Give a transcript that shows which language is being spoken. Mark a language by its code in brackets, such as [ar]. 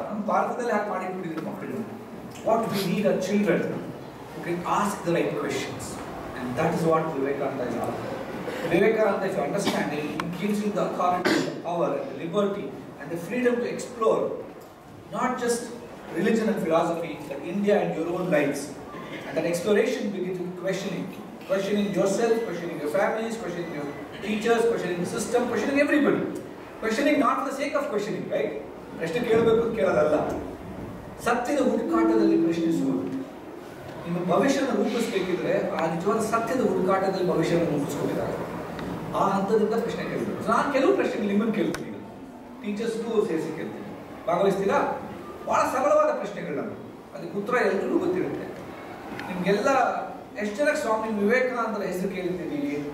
[kn] ನಮ್ಮ ಭಾರತದಲ್ಲಿ ಹಾಕಿ ಮಾಡಿಟ್ಬಿಟ್ಟಿದ್ರು ಮಕ್ಕಳು. [en] What we need a children who can ask the right questions, and that is what Vivekananda is all. Vivekananda is understanding gives you the authority, power and liberty and the freedom to explore not just religion and philosophy, but India and your own lives. And then exploration begins with questioning. questioning yourself, questioning your families, questioning your teachers, questioning the system, questioning everybody. Questioning not for the sake of questioning, right? [kn] ಪ್ರಶ್ನೆ ಕೇಳಬೇಕು ಕೇಳೋದಲ್ಲ. ಸತ್ಯದ ಹುಡುಕಾಟದಲ್ಲಿ ಪ್ರಶ್ನಿಸುವುದು. ನಿಮ್ಮ ಭವಿಷ್ಯವನ್ನು ರೂಪಿಸಬೇಕಿದ್ರೆ ಆ ನಿಜವಾದ ಸತ್ಯದ ಹುಡುಕಾಟದಲ್ಲಿ ಭವಿಷ್ಯವನ್ನು ರೂಪಿಸ್ಕೋಬೇಕಾಗುತ್ತೆ. ಆ ಹಂತದಿಂದ ಪ್ರಶ್ನೆ ಕೇಳಬೇಕು. ನಾನು ಕೆಲವು ಪ್ರಶ್ನೆಗಳು ನಿಮ್ಮನ್ನು ಕೇಳ್ತೀನಿ, ಟೀಚರ್ಸ್ಗೂ ಸೇರಿಸಿ ಕೇಳ್ತೀನಿ, ಭಾಗವಹಿಸ್ತೀರಾ? ಭಾಳ ಸರಳವಾದ ಪ್ರಶ್ನೆಗಳನ್ನು, ಅದಕ್ಕೆ ಉತ್ತರ ಎಲ್ರಿಗೂ ಗೊತ್ತಿರುತ್ತೆ. ನಿಮಗೆಲ್ಲ ಎಷ್ಟು ಜನಕ್ಕೆ ಸ್ವಾಮಿ ವಿವೇಕಾನಂದರ ಹೆಸರು ಕೇಳಿದ್ದೀನಿ?